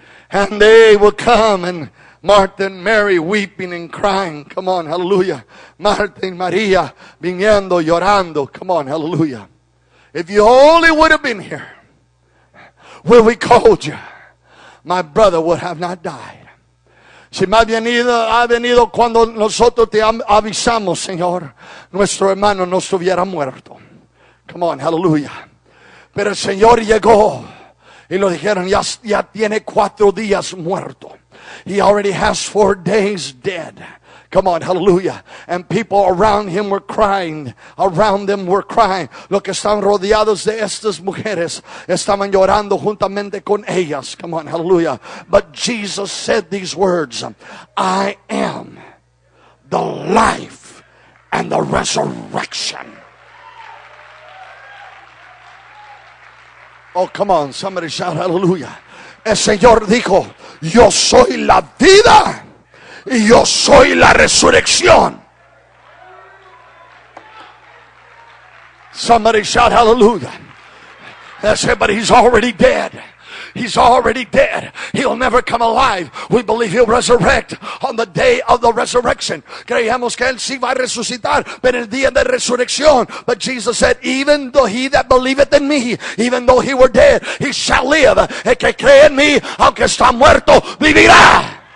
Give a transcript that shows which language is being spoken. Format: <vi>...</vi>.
<en>And they will come, and Martha and Mary weeping and crying. Come on, hallelujah. Martha and Maria</en> <es>viniendo, llorando.</es> <en>Come on, hallelujah. If you only would have been here when we called you, my brother would have not died.</en> <es>Si me ha venido cuando nosotros te avisamos, Señor, nuestro hermano no estuviera muerto.</es> <en>Come on, hallelujah.</en> <es>Pero el Señor llegó. Y lo dijeron, ya tiene cuatro días muerto.</es> <en>He already has 4 days dead. Come on, hallelujah. And people around him were crying. Around them were crying.</en> <es>Los que están rodeados de estas mujeres estaban llorando juntamente con ellas.</es> <en>Come on, hallelujah. But Jesus said these words, I am the life and the resurrection. Oh, come on, somebody shout hallelujah.</en> <es>El Señor dijo, yo soy la vida y yo soy la resurrección.</es> <en>Somebody shout hallelujah. I said, but he's already dead. He's already dead. He'll never come alive. We believe he'll resurrect on the day of the resurrection.</en> <es>Creemos que él sí va a resucitar, pero el día de resurrección.</es> <en>But Jesus said, even though he that believeth in me, even though he were dead, he shall live.</en> <es>El que cree en mí, aunque está muerto, vivirá.</es>